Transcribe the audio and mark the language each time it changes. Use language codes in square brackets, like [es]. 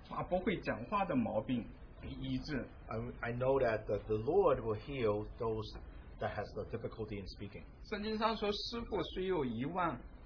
[zh] 我相信弟兄姊妹，主也会医治我们不会讲话的毛病，医治。 [en] I know that the Lord will heal those that has the difficulty in speaking. [zh] 圣经上说，师傅虽有一万。